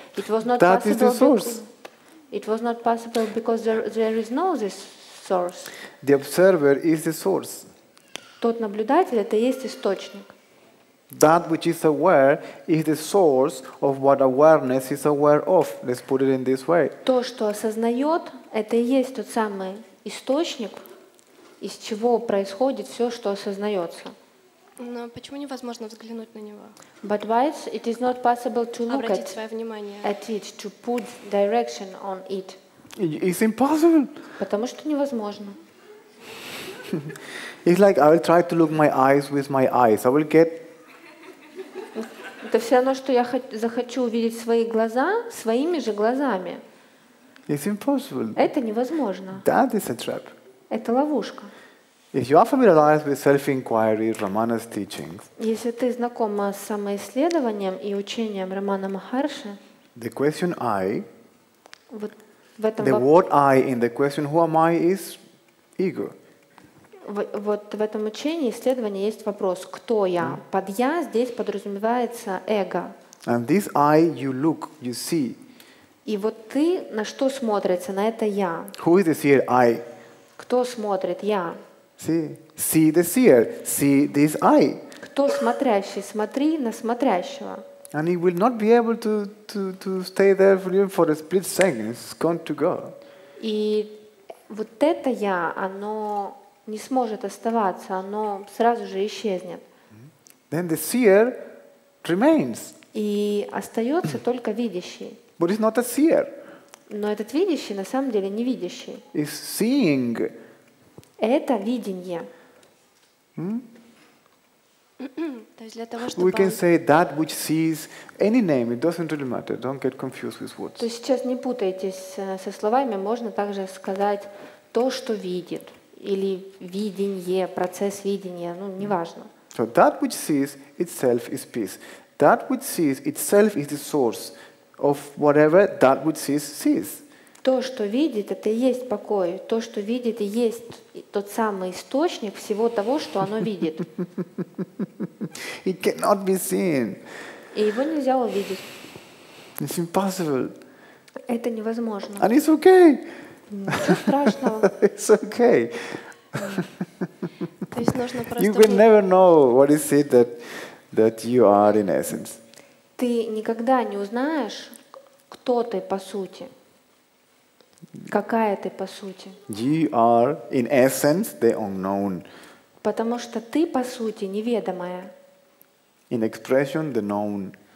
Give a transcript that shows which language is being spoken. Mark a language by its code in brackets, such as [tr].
[en] It was not that possible. That is the source. It was not possible because there is no this source. The observer is the source. [ru] Тот наблюдатель — это есть источник. [en] That which is aware is the source of what awareness is aware of. Let's put it in this way. [ru] То, что осознает, это и есть тот самый источник, из чего происходит все, что осознается. Но почему невозможно взглянуть на него? [en] But why it is not possible to look at [ru] свое внимание. [en] At it, to put direction on it. It's impossible. [ru] Потому что невозможно. [en] It's like I will try to look my eyes with my eyes. I will get. [ru] Это все равно, что я захочу увидеть свои глаза своими же глазами. [en] It's impossible. [ru] Это невозможно. [en] That is a trap. [ru] Это ловушка. [en] If you are familiarized with self-inquiry, Ramana's teachings. [ru] Если ты знакома с самоисследованием и учением Рамана Махарши. [en] The question I. [ru] Вот в этом. [en] The word I in the question Who am I is ego. [ru] Вот в этом учении, исследовании есть вопрос «Кто я?». Под «я» здесь подразумевается эго. [en] And this eye you look, you see. [ru] И вот ты на что смотрится? На это «я». [en] Who is the seer? I. [ru] Кто смотрит? Я. [en] See. See the seer. See this eye. [ru] Кто смотрящий? Смотри на смотрящего. [en] And he will not be able to stay there for a split second. It's gone to go. [ru] И вот это «я», оно не сможет оставаться, оно сразу же исчезнет. [en] Then the seer remains. [ru] И остается только видящий. [en] But it's not a seer. [ru] Но этот видящий на самом деле не видящий. [en] It's seeing. [ru] Это видение. То есть для того, чтобы [en] we can say that which sees any name, it doesn't really matter. Don't get confused with words. [ru] То есть сейчас не путайтесь со словами, можно также сказать то, что видит. Или видение, процесс видения, ну, неважно. [en] So that which sees itself is peace. That which sees itself is the source of whatever that which sees sees. [ru] То, что видит, это и есть покой. То, что видит, и есть тот самый источник всего того, что оно видит. [en] It cannot be seen. [ru] И его нельзя увидеть. [en] It's impossible. [ru] Это невозможно. [en] And it's okay. [ru] Ничего страшного. [en] It's okay. [ru] То есть нужно просто. [en] You will never know what is it that that you are in essence. [ru] Ты никогда не узнаешь, кто ты по сути. Какая ты по сути? [en] You are in essence the unknown. [ru] Потому что ты по сути неведомая. [en] In expression the known.